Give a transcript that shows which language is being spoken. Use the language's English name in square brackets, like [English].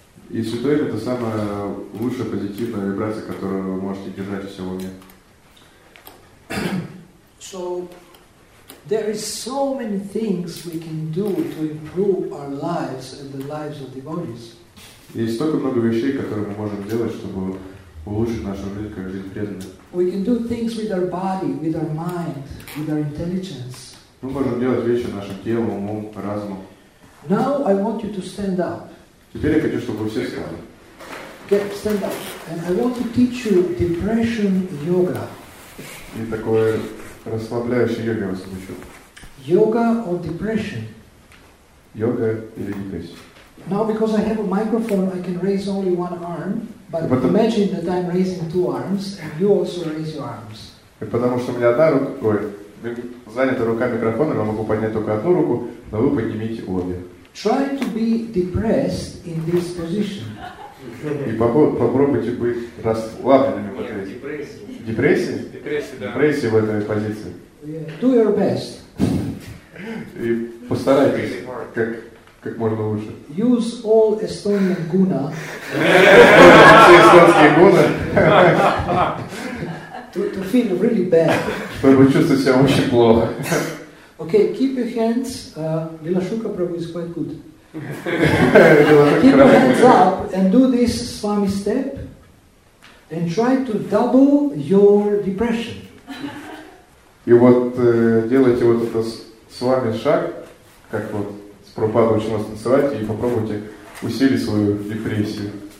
[Russian] И святое имя — это самая лучшая позитивная вибрация, которую вы можете держать у себя в уме. [English] So there is so many things we can do to improve our lives and the lives of devotees. [Russian] Есть столько много вещей, которые мы можем делать, чтобы улучшить нашу жизнь как жизнь преданных. [English] We can do things with our body, with our mind, with our intelligence. [Russian] Мы можем делать вещи нашим телом, умом, разумом. [English] Now I want you to stand up. [Russian] Теперь я хочу, чтобы вы все встали. [English] Get stand up. And I want to teach you depression yoga. [Russian] И такое расслабляющее йога я вас научу. [English] Йога or depression? [Russian] Йога или депрессия? [English] Now because I have a microphone, I can raise only one arm. But imagine that I'm raising two arms, and you also raise your arms. [Russian] И потому что у меня одна рука, ой, занята рука микрофона, я могу поднять только одну руку, но вы поднимите обе. [English] Try to be depressed in this position. [Russian] И попробуйте быть расслабленными в этой депрессии. Депрессии? Депрессии, да. Депрессии в этой позиции. [English] Yeah. Do your best. [Russian] И постарайтесь как можно лучше. [English] Use all Estonian guna. [Russian] Все эстонские гуна. [English] To feel really bad. [Russian] Чтобы чувствовать себя очень плохо. [English] Okay, keep your hands. Лилашука Прабху is quite good. Keep your hands up and do this Swami step and try to double your depression. [Russian] И вот делайте вот это Свами шаг, как вот с Прабхупадой учим вас танцевать, и попробуйте усилить свою депрессию.